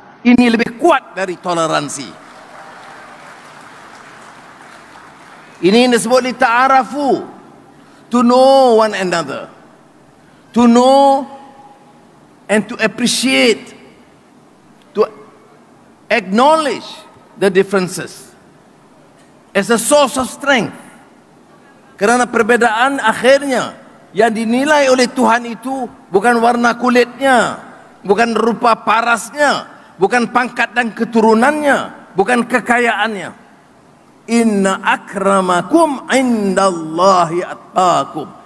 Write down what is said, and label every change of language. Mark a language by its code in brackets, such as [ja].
[ms] Ini lebih kuat dari toleransi. [en] Ini disebut lita'arafu, to know one another, to know and to appreciate, to acknowledge the differences as a source of strength. [ms] Kerana perbedaan akhirnya yang dinilai oleh Tuhan itu bukan warna kulitnya, bukan rupa parasnya, bukan pangkat dan keturunannya, bukan kekayaannya. [ar] Inna akramakum indallahi atqakum.